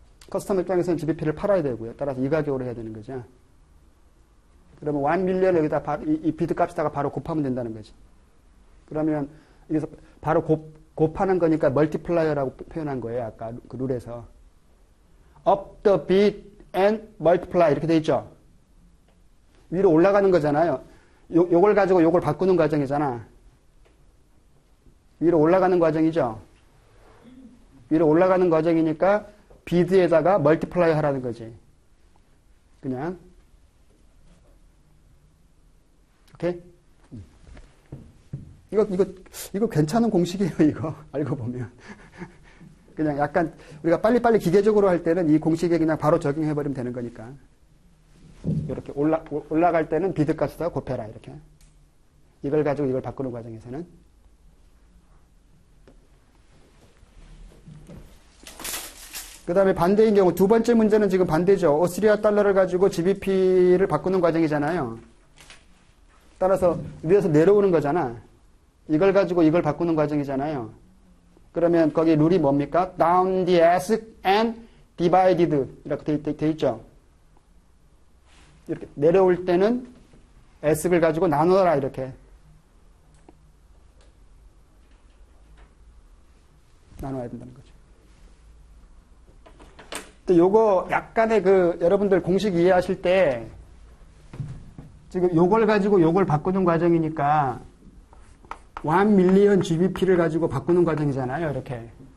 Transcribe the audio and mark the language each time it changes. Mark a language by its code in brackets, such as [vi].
[ko] 커스터머 입장에서는 GBP를 팔아야 되고요. 따라서 이 가격으로 해야 되는 거죠. 그러면 1 밀리언 여기다 바로 이 비트 값에다가 바로 곱하면 된다는 거지. 그러면 여기서 바로 곱하는 거니까 멀티플라이어라고 표현한 거예요. 아까 그 룰에서. [en] Up the bit and multiply [ko] 이렇게 돼 있죠. 위로 올라가는 거잖아요. 요걸 가지고 요걸 바꾸는 과정이잖아. 위로 올라가는 과정이죠. 위로 올라가는 과정이니까 비드에다가 멀티플라이 하라는 거지. 그냥. 오케이? 이거 괜찮은 공식이에요, 이거. 알고 보면. 그냥 약간 우리가 빨리빨리 기계적으로 할 때는 이 공식에 그냥 바로 적용해버리면 되는 거니까. 이렇게 올라갈 때는 비드 값에다 곱해라, 이렇게. 이걸 가지고 이걸 바꾸는 과정에서는. 그 다음에 반대인 경우, 두 번째 문제는 지금 반대죠. 오스트리아 달러를 가지고 GBP를 바꾸는 과정이잖아요. 따라서 위에서 내려오는 거잖아. 이걸 가지고 이걸 바꾸는 과정이잖아요. 그러면 거기 룰이 뭡니까? [en] Down the ask and divided. [ko] 이렇게 돼 있죠. 이렇게 내려올 때는 ask을 가지고 나누어라, 이렇게. 나눠야 된다는 거죠. 요거 약간의 그 여러분들 공식 이해하실 때 지금 요걸 가지고 요걸 바꾸는 과정이니까 1 million GBP를 가지고 바꾸는 과정이잖아요. 이렇게.